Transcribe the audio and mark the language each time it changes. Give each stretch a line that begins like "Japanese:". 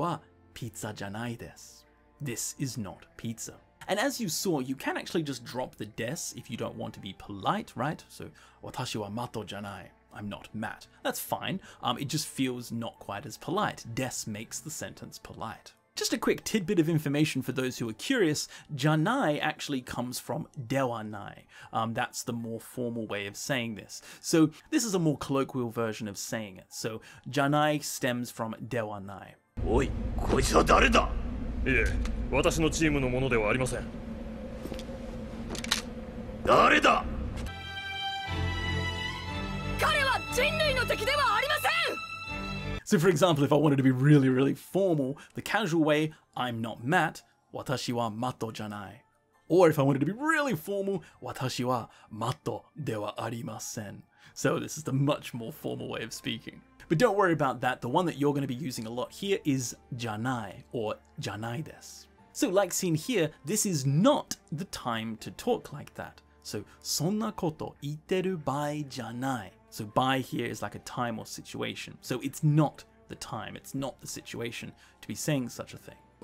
Japanese: これはピザじゃないです.
English: This is not pizza. And as you saw, you can actually just drop the des if you don't want to be polite, right?
Japanese: So, 私はマットじゃない.
English: I'm not Matt. That's fine. It just feels not quite as polite. Des makes the sentence polite. Just a quick tidbit of information for those who are curious, じゃない actually comes from ではない. That's the more formal way of saying this. So this is a more colloquial version of saying it. So じゃない stems from ではない.
Japanese: おい、こいつは誰だ? いえ、私のチームのものではありません。誰だ? 彼は人類の敵ではありません!
English: So for example, if I wanted to be really, really formal, the casual way, I'm not Matt,
Japanese: 私はマットじゃない.
English: Or if I wanted to be really formal,
Japanese: 私はマットではありません.
English: So this is the much more formal way of speaking. But don't worry about that, the one that you're going to be using a lot here is じゃない, or じゃないです. So like seen here, this is not the time to talk like that.
Japanese: So そんなこと言ってる場合じゃない.
English: So by here is like a time or situation. So it's not the time, it's not the situation to be saying such a thing.